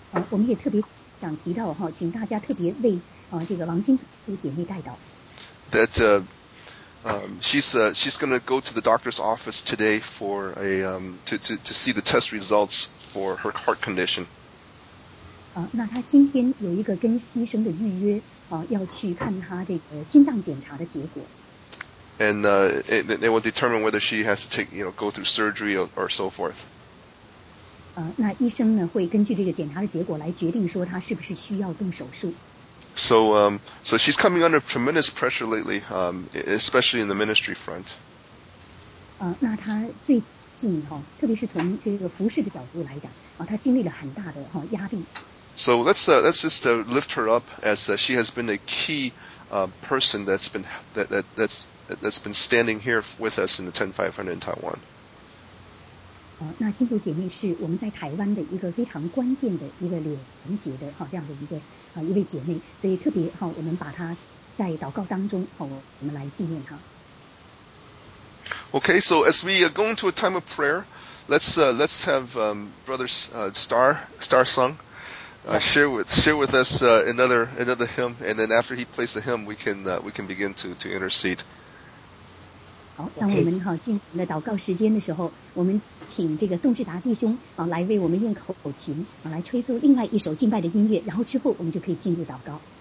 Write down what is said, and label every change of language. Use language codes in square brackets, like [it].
[zh] 我们也特别想提到哈，请大家特别为这个王金珠姐妹代祷。 [en] That she's going to go to the doctor's office today for to see the test results for her heart condition. [zh] 那她今天有一个跟医生的预约要去看她这个心脏检查的结果。 [en] And they will determine whether she has to take, go through surgery or so forth. [zh] 那医生呢会根据这个检查的结果来决定说她是不是需要动手术。 [en] So, so she's coming under tremendous pressure lately, especially in the ministry front. [zh] 那她最近特别是从这个服事的角度来讲，她经历了很大的压力。 [en] So let's just lift her up as she has been a key person that's been that's been standing here with us in the 10500 in Taiwan. [zh] 那金主姐妹是我们在台湾的一个非常关键的一个连结的这样的一位姐妹，所以特别我们把她在祷告当中我们来纪念她。 [en] Okay, so as we go into a time of prayer, let's have Brother Star Sung share with us another hymn, and then after he plays the hymn, we can begin to intercede. [zh] 好，当我们进行的祷告时间的时候，我们请这个宋志达弟兄来为我们用口琴来吹奏另外一首敬拜的音乐，然后之后我们就可以进入祷告。